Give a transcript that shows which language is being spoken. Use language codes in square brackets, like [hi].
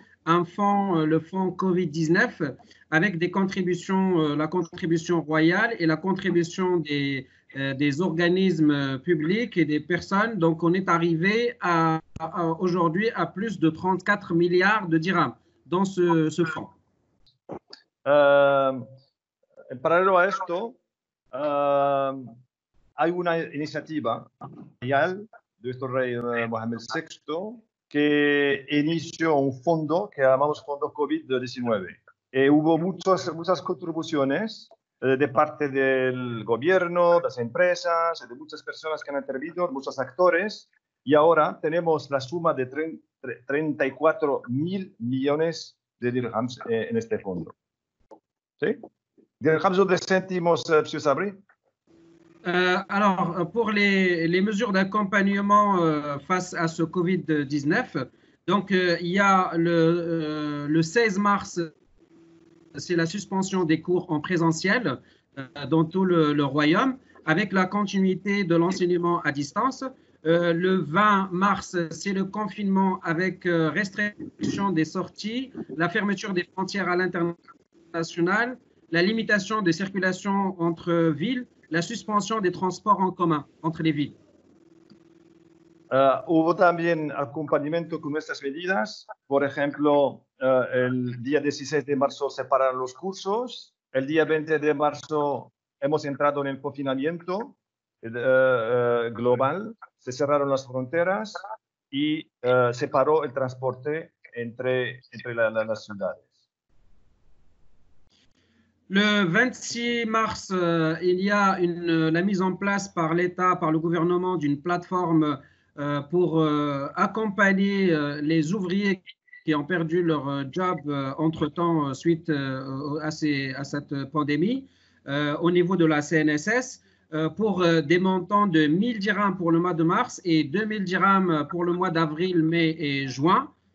[fr] un fonds, le fonds COVID-19, avec des contributions, la contribution royale et la contribution des organismes publics et des personnes. Donc, on est arrivé à aujourd'hui à plus de 34 milliards de dirhams dans ce fonds. [es] En paralelo a esto, hay una iniciativa real de nuestro rey Mohammed VI que inició un fondo que llamamos Fondo COVID-19. Hubo muchas contribuciones de parte del gobierno, de las empresas, de muchas personas que han intervenido, muchos actores, y ahora tenemos la suma de 34 mil millones de dirhams en este fondo. ¿Sí? [fr] Dirhams ou des centimes, monsieur Sabri? Alors, pour les mesures d'accompagnement face à ce COVID-19, donc il y a le 16 mars, c'est la suspension des cours en présentiel dans tout le royaume, avec la continuité de l'enseignement à distance. Le 20 mars, c'est le confinement avec restriction des sorties, la fermeture des frontières à l'international, la limitation de circulation entre villes, la suspension des transports en commun entre les villes. [es] Hubo también acompañamiento con nuestras medidas. Por ejemplo, el día 16 de marzo se pararon los cursos. El día 20 de marzo hemos entrado en el confinamiento global. Se cerraron las fronteras y se paró el transporte entre las ciudades. [fr] Le 26 mars, il y a la mise en place par l'État, par le gouvernement, d'une plateforme pour accompagner les ouvriers qui ont perdu leur job entre-temps suite à cette pandémie au niveau de la CNSS pour des montants de 1000 dirhams pour le mois de mars et 2000 dirhams pour le mois d'avril, mai et juin.